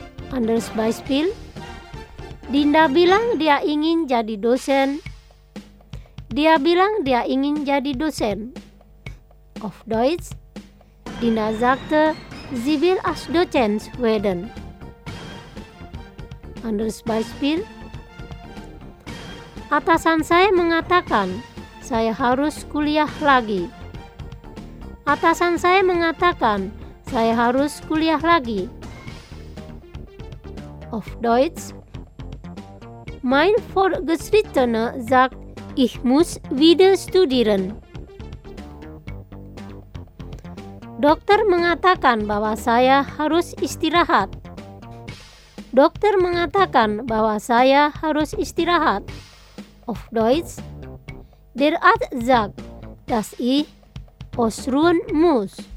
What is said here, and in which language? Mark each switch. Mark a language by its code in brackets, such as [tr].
[de] Anderes Beispiel. [id] Dinda bilang dia ingin jadi dosen. Dia bilang dia ingin jadi dosen. [de] Auf Deutsch. Dinda sagte, sie will als Dozent werden. Anderes Beispiel. [id] Atasan saya mengatakan, saya harus kuliah lagi. Atasan saya mengatakan, saya harus kuliah lagi. [de] Auf Deutsch. Mein Vorgesetzter sagt, ich muss wieder studieren. [id] Dokter mengatakan bahwa saya harus istirahat. Dokter mengatakan bahwa saya harus istirahat. [de] Auf Deutsch. Der Arzt sagt, dass ich ausruhen muss.